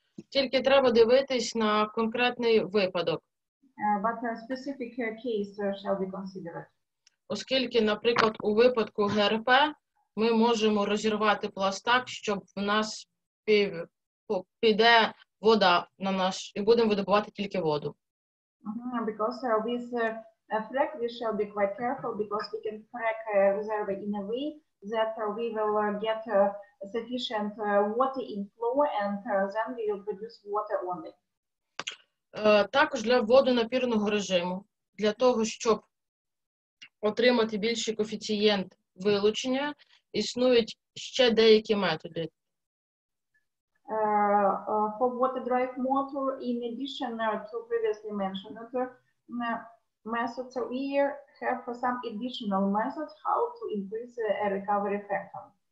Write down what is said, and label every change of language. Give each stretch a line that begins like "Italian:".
Ukrainian: Тільки треба дивитись на конкретний випадок.
English: But a specific case shall be considered.
Ukrainian: Оскільки, наприклад, у випадку ГРП ми можемо розірвати пласт так, щоб в нас піде вода на наш, і будемо видобувати тільки воду.
English: Because with a frac we shall be quite careful, because we can frac a reserve in a way that we will get sufficient water inflow and then we will produce water only.
Ukrainian: Також для водонапірного режиму, для того, щоб отримати більший коефіцієнт вилучення, існують ще деякі методи.
English: For water drive motor, in addition to previously mentioned methods, we have some additional methods how to increase a recovery factor.